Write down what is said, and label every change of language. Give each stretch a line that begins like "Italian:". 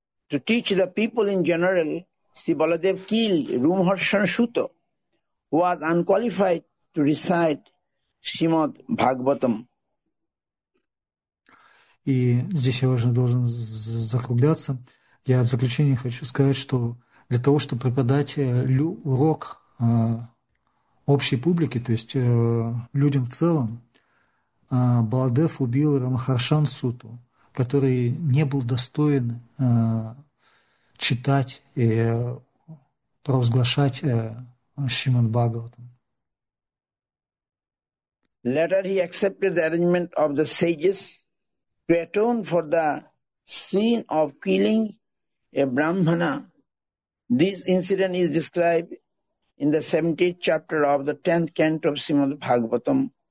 English: To teach the people in general, Sri Baladev Keel, Rumharshan Shuto, was unqualified to recite Srimad Bhagavatam.
Russian: И здесь я уже должен закругляться. Я в заключение хочу сказать, что для того, чтобы преподать урок общей публике, то есть людям в целом, Баладев убил Рамахаршан Суту, который не был достоин читать и провозглашать Шримад Бхагаватам.
English: Later he accepted the arrangement of the sages to atone for the sin of killing a brahmana. This incident is described in the 17th chapter of the 10th canto of Srimad Bhagavatam.